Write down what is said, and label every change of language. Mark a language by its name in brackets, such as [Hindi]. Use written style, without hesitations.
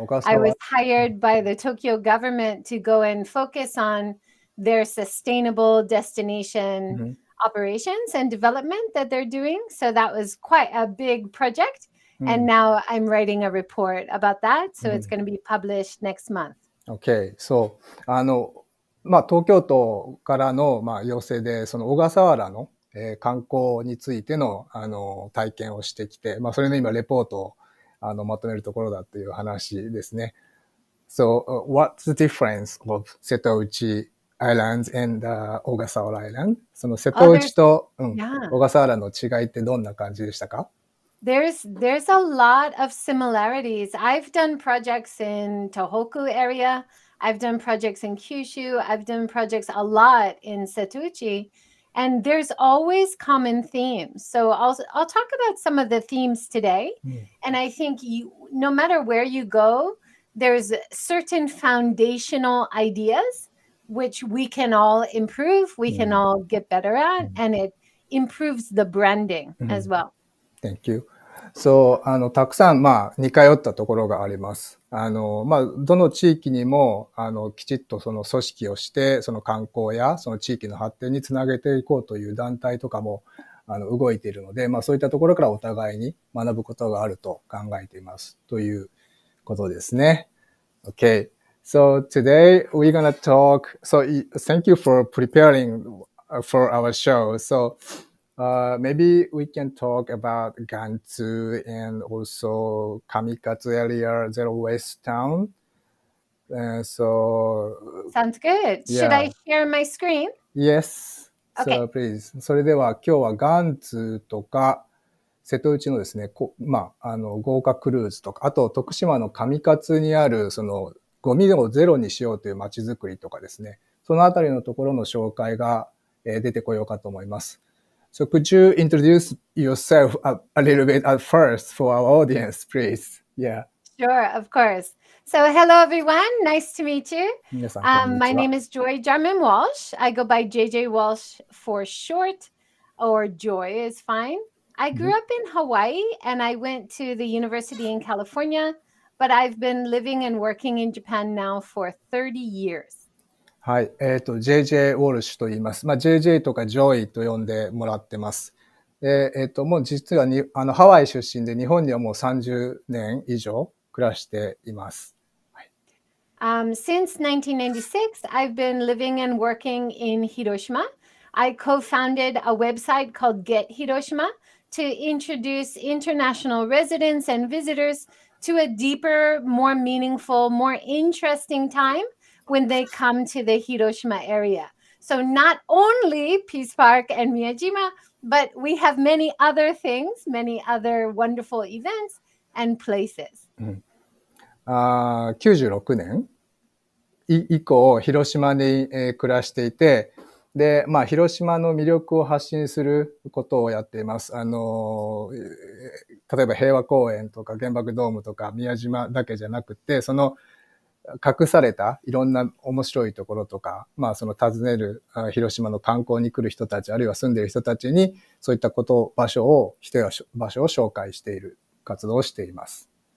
[English] I was hired by the Tokyo government to go and focus on their sustainable destination operations and development that they're doing. So that was quite a big project. And now I'm writing a report about that. So it's going to be published next month. Okay. [Japanese] So, 東京都からの、要請で、その小笠原の、観光についての、体験をしてきて、それの今、レポートを、まとめるところだという話ですね。 [English] So, what's the difference of 瀬戸内 Islands and 小笠原 Island? [Japanese] その瀬戸内と、小笠原の違いってどんな感じでしたか？ [English] There's a lot of similarities. I've done projects in Tohoku area. I've done projects in Kyushu. I've done projects a lot in Setuchi. And there's always common themes. So I'll talk about some of the themes today. And I think no matter where you go, there's certain foundational ideas which we can all improve, we can all get better at, and it improves the branding as well. Thank you. [Japanese] So, たくさん、似通ったところがあります。どの地域にも、きちっとその組織をして、その観光やその地域の発展につなげていこうという団体とかも、動いているので、そういったところからお互いに学ぶことがあると考えています。ということですね。 [English] Okay. So, today we're gonna talk. So, thank you for preparing for our show. So,maybe we can talk about Gantu and also Kamikatsu area, Zero Waste Town. So sounds good. Should I share my screen? Yes. So please. [Japanese] それでは今日はガンツとか瀬戸内のですね、豪華クルーズとか、あと徳島の上勝にあるそのゴミをゼロにしようという街づくりとかですね、そのあたりのところの紹介が出てこようかと思います。 [English] So could you introduce yourself a little bit at first for our audience, please? Yeah. Sure, of course. So hello everyone, nice to meet you. My name is Joy-Jarman Walsh. I go by JJ Walsh for short, or Joy is fine. I grew up in Hawaii and I went to the university in California, but I've been living and working in Japan now for 30 years. [Japanese] はい、JJ ウォルシュと言います。まあ、JJ とかジョイと呼んでもらってます。で、もう実はに、ハワイ出身で日本にはもう30年以上暮らしています。はい。 [English] Since 1996, I've been living and working in Hiroshima. I co-founded a website called Get Hiroshima to introduce international residents and visitors to a deeper, more meaningful, more interesting time. When they come to the Hiroshima area. So not only Peace Park and Miyajima, but we have many other things, many other wonderful events and places.、 [Japanese] 96年以降、広島に、暮らしていて、で、まあ、広島の魅力を発信することをやっています。例えば平和公園とか原爆ドームとか宮島だけじゃなくて、その隠されたいろんな面白いところとか、まあその訪ねる広島の観光に来る人たち、あるいは住んでる人たちに、そういったこと、場所を、人や場所を紹介している活動をしています。